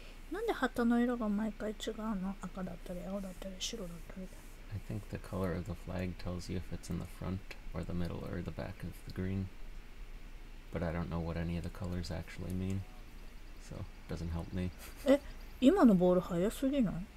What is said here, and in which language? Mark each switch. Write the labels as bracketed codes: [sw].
[ja] なんで旗の色が毎回違うの?赤だったり青だったり白だったり。 [en] I think the color of the flag tells you if it's in the front or the middle or the back of the green. But I don't know what any of the colors actually mean. So, it doesn't help me. [ja] え、今のボール速すぎない?